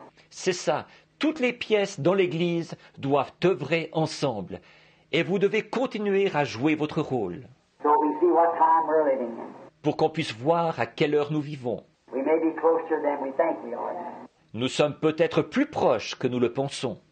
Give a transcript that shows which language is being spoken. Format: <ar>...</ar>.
<fr>C'est ça. Toutes les pièces dans l'église doivent œuvrer ensemble. Et vous devez continuer à jouer votre rôle.</fr> <en>So we see what time we're living in.</en> <fr>Pour qu'on puisse voir à quelle heure nous vivons.</fr> <en>We may be closer than we think we are.</en> <fr>Nous sommes peut-être plus proches que nous le pensons.</fr>